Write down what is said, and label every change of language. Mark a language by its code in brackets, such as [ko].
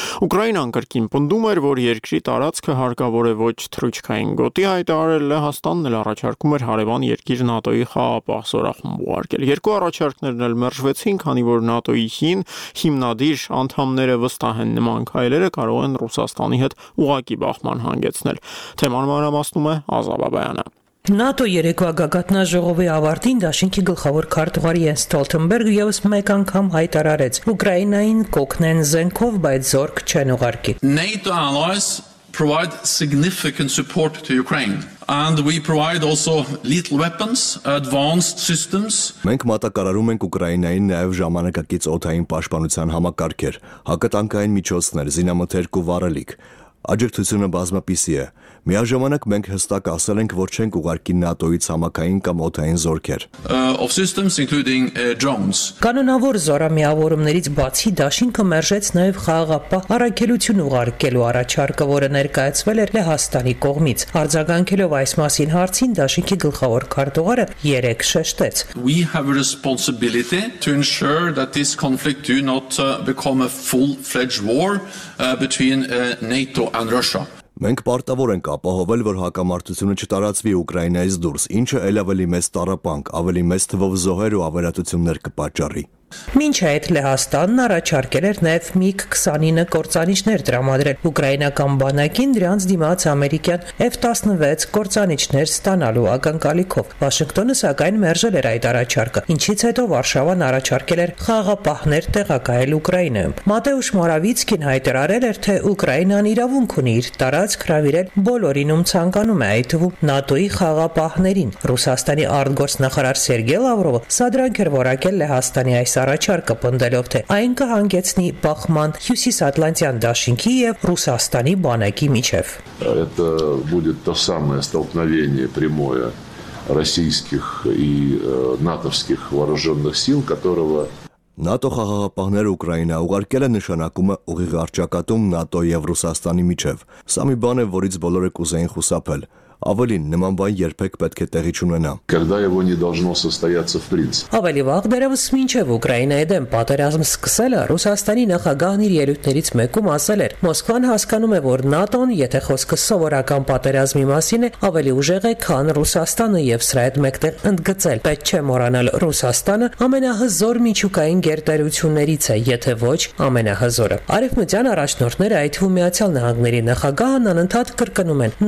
[hy] Ուկրաինան կրկին պնդում էր, որ երկրի տարածքը հարկավոր է ոչ թրուչքային գոտի հայտարարել, Լեհաստանն էլ առաջարկում էր հարևան երկիր ՆԱՏՕ-ի խաղապահ սորախումբ ուղարկել։ Երկու առաջարկներն էլ մերժվեցին, քանի որ ՆԱՏՕ-ի հին հիմնադիր անդամները վստահ են նման քայլերը կարող են Ռուսաստանի հետ ուղակի բախման հանգեցնել։ Թեման մանրամասնում է Ազավ Աբայանը։ ՆԱՏՕ երեկվա գագաթնաժողովի ավարտին Դաշինքի գլխավոր քարտուղար Յենս Ստոլտենբերգը ևս մեկ անգամ հայտարարեց. Ուկրաինային կոգնեն զենքով, բայց զորք չեն ուղարկի։ [en] NATO allies provide significant support to Ukraine. And we provide also lethal weapons, advanced systems. [hy] Մենք մատակարարում ենք Ուկրաինային նաև ժամանակակից օդային պաշտպանության համակարգեր, հակատանկային միջոցներ, զինամթերք ու վարելիք։ Աջակցությունը բազմապիսի է։ Միաժամանակ մենք հստակ ասել ենք, որ չենք ուղարկի ՆԱՏՕ-ից համակային կամ օդային զորքեր։ [en] Of systems including drones. [hy] Կանոնավոր զորամիավորումներից բացի Դաշինքը մերժեց նաև խաղապահ առաքելություն ուղարկելու առաջարկը, որը ներկայացվել էր Լեհաստանի կողմից։ Արձագանքելով այս մասին հարցին Դաշինքի գլխավոր քարտուղարը 3 շեշտեց. [en] We have a responsibility to ensure that this conflict do not become a full-fledged war between NATO and Russia. [hy] Մենք պարտավոր ենք ապահովել, որ հակամարտությունը չտարածվի Ուկրաինայից դուրս, ինչը էլ ավելի մեծ տարապանք, ավելի մեծ թվով զոհեր ու ավերածություններ կպատճառի։ Մինչ այդ Լեհաստանն առաջարկել էր նաև MiG-29 կործանիչներ տրամադրել Ուկրաինական բանակին, դրանց դիմաց ամերիկյան F-16 կործանիչներ ստանալու ակնկալիքով։ Վաշինգտոնը սակայն մերժել էր այդ առաջարկը, ինչից հետո Վարշավան առաջարկել էր խաղապահներ տեղակայել Ուկրաինայում։ Մատեուշ Մորավիցկին հայտարարել էր, թե Ուկրաինան իրավունք ունի իր տարածք հրավիրել բոլորին, ում ցանկանում է, այդ թվում ՆԱՏՕ-ի խաղապահներին։ Ռուսաստանի արտգործնախարար Սերգեյ Լավրովը սադրանք էր որակել Լեհաստանի այս առաջարկը, պնդելով, թե այն կհանգեցնի բախման Հյուսիսատլանտյան Դաշինքի և Ռուսաստանի բանակի միջև։ [ru] Это будет то самое столкновение прямое российских и натовских вооружённых сил, которого [hy] ՆԱՏՕ խաղապահները Ուկրաինա ուղարկել են, նշանակում է ուղիղ արճակատում ՆԱՏՕ և Ռուսաստանի միջև։ Սա մի բան է, որից բոլորը կուզեին խուսափել։ Ավելին, նման բան երբեք պետք է տեղի չունենա։ [ru] Когда его не должно состояться в принципе. [hy] Ավելի վաղ դեռևս մինչև Ուկրաինայի դեմ պատերազմ սկսելը Ռուսաստանի նախագահն իր ելույթներից մեկում ասել էր. Մոսկվան հասկանում է, որ ՆԱՏՕ-ն, եթե խոսքը սովորական պատերազմի մասին է, ավելի ուժեղ է, քան Ռուսաստանը, եւ սա այդ մեկտեղ ընդգծել։ Պետք չէ մոռանալ, Ռուսաստանը ամենահզոր միջուկային գերտերություններից է, եթե ոչ ամենահզորը։ Արևմտյան առաջնորդները, այդ թվում Միացյալ Նահանգների նախագահան, անընդհատ կրկնում են.